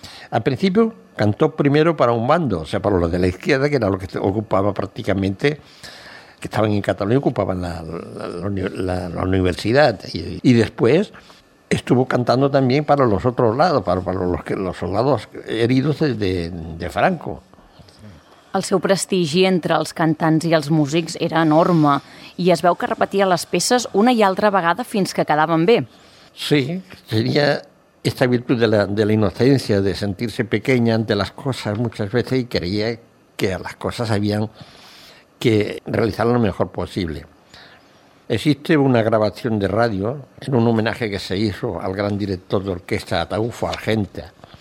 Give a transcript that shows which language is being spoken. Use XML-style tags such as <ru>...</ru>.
<es>Al principio cantó primero para un bando, o sea, para los de la izquierda, que era lo que ocupaba prácticamente, que estaban en Cataluña y ocupaban la universidad. Y después estuvo cantando también para los otros lados, para los soldados heridos de Franco.</es> <ca>El seu prestigi entre els cantants i els músics era enorme i es veu que repetia les peces una i altra vegada fins que quedaven bé.</ca> <es>Sí, tenia esta virtud de la inocencia, de sentirse pequeña ante las cosas muchas veces y creía que las cosas habían que realizarlo lo mejor posible. Existe una grabación de radio en un homenaje que se hizo al gran director de orquesta Ataúfo Argenta.</es>